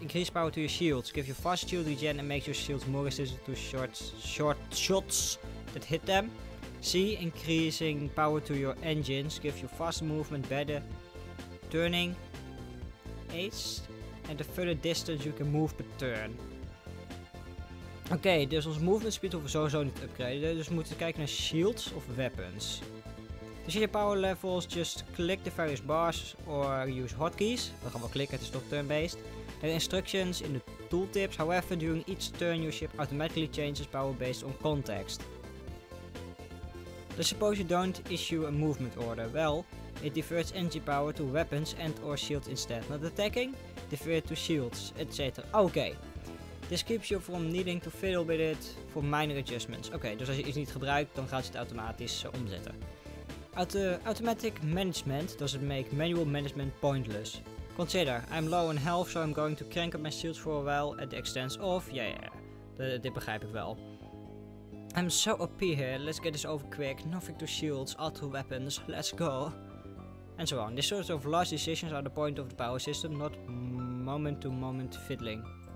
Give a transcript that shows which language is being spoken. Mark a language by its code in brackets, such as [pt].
[en] Increase power to your shields, give you faster shield regen and make your shields more resistant to short shots that hit them. C. Increasing power to your engines, give you faster movement, better turning haste and the further distance you can move per turn. [nl] Oké, dus onze movement speed hoeven we sowieso niet te upgraden, dus we moeten kijken naar shields of weapons. [en] To see your power levels, just click the various bars or use hotkeys. [nl] We gaan wel klikken, het is toch turn-based. [en] There are instructions in the tooltips. However, during each turn, your ship automatically changes power based on context. Let's suppose you don't issue a movement order. Well, it diverts energy power to weapons and or shields instead. Not attacking, divert to shields, etc. [nl] Oké. [en] This keeps you from needing to fiddle with it for minor adjustments. [nl] Oké, dus als je iets niet gebruikt, dan gaat het automatisch omzetten. [en] Automatic management doesn't make manual management pointless. Consider, I'm low on health, so I'm going to crank up my shields for a while at the expense of... [nl] Yeah, dit begrijp ik wel. [en] I'm so OP here, let's get this over quick. Nothing to shields, all to weapons, let's go. And so on. These sorts of large decisions are the point of the power system, not moment-to-moment fiddling.